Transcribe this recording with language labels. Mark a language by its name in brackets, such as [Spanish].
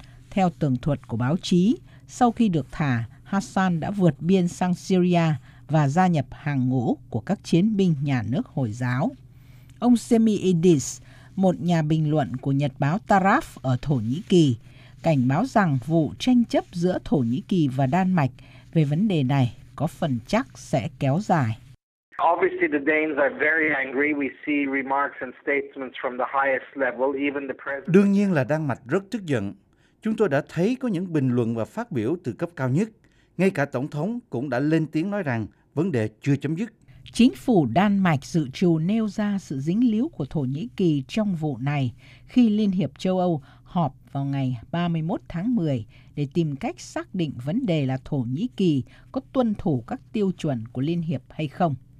[Vietnamese] Theo tường thuật của báo chí, sau khi được thả, Hassan đã vượt biên sang Syria và gia nhập hàng ngũ của các chiến binh nhà nước Hồi giáo. Ông Semi Idis, một nhà bình luận của nhật báo Taraf ở Thổ Nhĩ Kỳ, cảnh báo rằng vụ tranh chấp giữa Thổ Nhĩ Kỳ và Đan Mạch về vấn đề này có phần chắc sẽ kéo dài. [English] Obviously the Danes are very angry. We see remarks and statements from the highest level, even the president. [Vietnamese] Đương nhiên là Đan Mạch rất tức giận. Chúng tôi đã thấy có những bình luận và phát biểu từ cấp cao nhất, ngay cả tổng thống cũng đã lên tiếng nói rằng vấn đề chưa chấm dứt. Chính phủ Đan Mạch dự trù nêu ra sự dính líu của Thổ Nhĩ Kỳ trong vụ này khi Liên hiệp châu Âu họp vào ngày 31 tháng 10 để tìm cách xác định vấn đề là Thổ Nhĩ Kỳ có tuân thủ các tiêu chuẩn của Liên hiệp hay không.